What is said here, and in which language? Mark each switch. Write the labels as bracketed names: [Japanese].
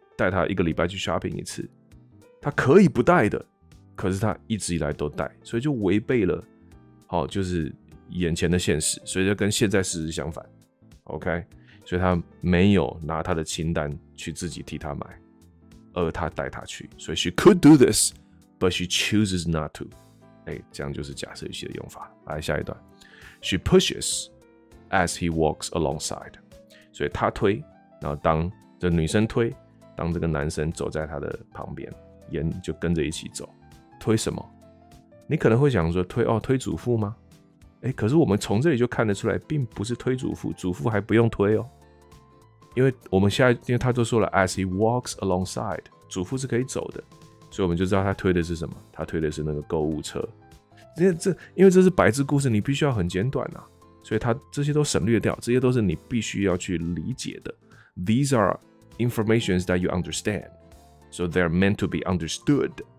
[Chinese] 带他一个礼拜去 shopping 一次，他可以不带的，可是他一直以来都带，所以就违背了，就是眼前的现实，所以就跟现在事实相反 ，OK，所以他没有拿他的清单去自己替他买，而他带他去。所以 [English] she could do this, but she chooses not to. [Chinese] 哎，这样就是假设语气的用法。来下一段 [English] ，she pushes as he walks alongside. [Chinese] 所以他推，然后当这女生推，当这个男生走在他的旁边，沿就跟着一起走。推什么？你可能会想说推哦，推祖父吗？欸，可是我们从这里就看得出来，并不是推祖父，祖父还不用推哦，因为我们现在，因为他就说了 ， [English] as he walks alongside， [Chinese] 祖父是可以走的，所以我们就知道他推的是什么，他推的是那个购物车。因为这是白字故事，你必须要很简短啊，所以他这些都省略掉，这些都是你必须要去理解的。 [English] These are informations that you understand, so they're meant to be understood。